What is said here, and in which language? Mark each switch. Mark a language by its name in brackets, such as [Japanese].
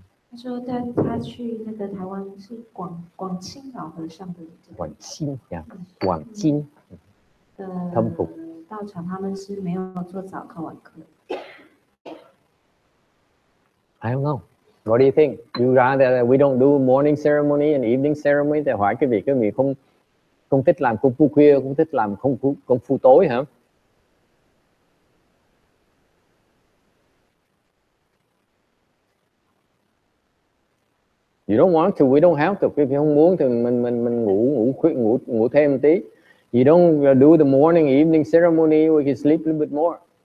[Chinese] 他说他去那个台湾是广钦老和尚的广钦的道场，他们是没有做早课晚课。 [English] I don't know. What do you think? You rather that we don't do morning ceremony and evening ceremony? [Vietnamese] Thầy hỏi cái việc cái mình không thích làm công phu khuya, không thích làm công phu tối hả? [English] You don't want to, we don't have to. If you [Vietnamese] không muốn thì mình ngủ thêm một tí. [English] You don't do the morning evening ceremony, we can sleep a little bit more.